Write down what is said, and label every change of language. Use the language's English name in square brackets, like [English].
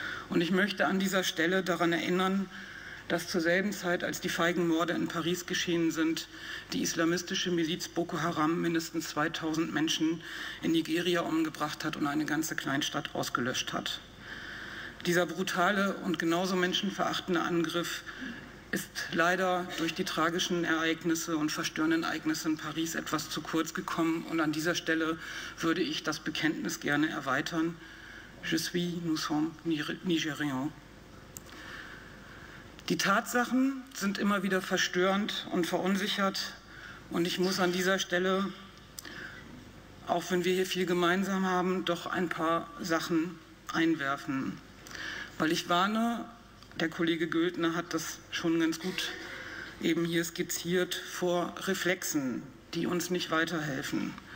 [German] Und ich möchte an dieser Stelle daran erinnern, dass zur selben Zeit, als die feigen Morde in Paris geschehen sind, die islamistische Miliz Boko Haram mindestens 2000 Menschen in Nigeria umgebracht hat und eine ganze Kleinstadt ausgelöscht hat. Dieser brutale und genauso menschenverachtende Angriff ist leider durch die tragischen Ereignisse und verstörenden Ereignisse in Paris etwas zu kurz gekommen. Und an dieser Stelle würde ich das Bekenntnis gerne erweitern. [French] Je suis, nous sommes Nigérians. [German] Die Tatsachen sind immer wieder verstörend und verunsichert. Und ich muss an dieser Stelle, auch wenn wir hier viel gemeinsam haben, doch ein paar Sachen einwerfen. Weil ich warne, der Kollege Göldner hat das schon ganz gut eben hier skizziert, vor Reflexen, die uns nicht weiterhelfen.